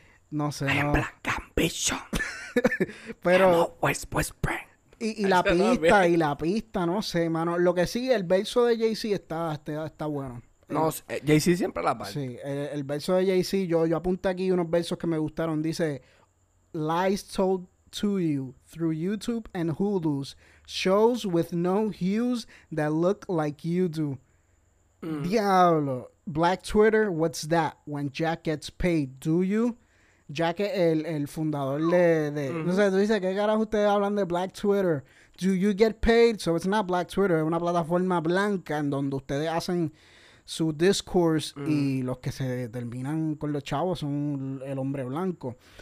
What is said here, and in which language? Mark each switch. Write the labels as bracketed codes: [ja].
[es] No sé, [en] I [es] no. [en] I am black ambition. [es] Pero [en] whispering. [es] Y la pista, y la pista, no sé, mano. Lo que sí, el verso de Jay-Z está bueno. No, Jay-Z siempre la parte. Sí, el verso de Jay-Z, yo apunté aquí unos versos que me gustaron. Dice, [en] lies told to you through YouTube and Hulu's shows with no hues that look like you do. [es] Diablo. [en] Black Twitter, what's that? When Jack gets paid, do you? [es] Jack es el fundador de no sé, tú dices, ¿qué carajo ustedes hablan de Black Twitter? [en] Do you get paid? So it's not Black Twitter, [es] es una plataforma blanca en donde ustedes hacen su discourse y los que se terminan con los chavos son el hombre blanco.